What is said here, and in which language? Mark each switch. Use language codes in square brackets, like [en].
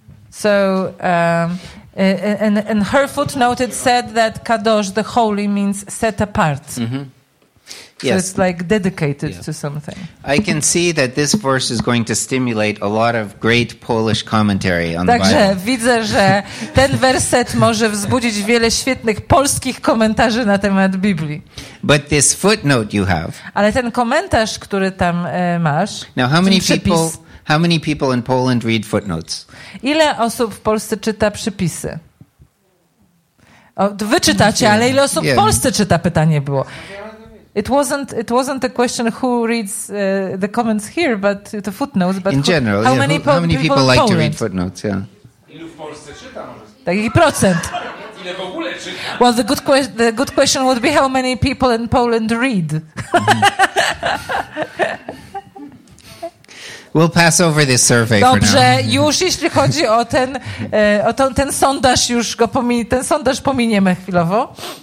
[en] So, in her footnote, it said that kadosh, the holy, means set apart. Mm-hmm. So yes. It's like dedicated yeah. to something. I can see that this verse is going to stimulate a lot of great Polish commentary on [pl] Także [en] the Bible. [pl] Także widzę, że ten werset może wzbudzić wiele świetnych polskich komentarzy na temat Biblii. [en] But this footnote you have. [pl] Ale ten komentarz, który tam masz. [en] Now how many people in Poland read footnotes? [pl] Ile osób w Polsce czyta przypisy? Wy czytacie, ale ile osób yeah. w Polsce czyta, pytanie było. [en] It wasn't a question who reads the comments here, but the footnotes. But in general, how many people like to read footnotes? Yeah. [pl] Ilu w Polsce czyta? Taki procent. Ile w ogóle czyta? [en] Well, the good question would be how many people in Poland read. We'll pass over this survey. [pl] Dobrze, [en] for now. [pl] Już jeśli chodzi o ten ten sondaż już go ten sondaż pominiemy chwilowo.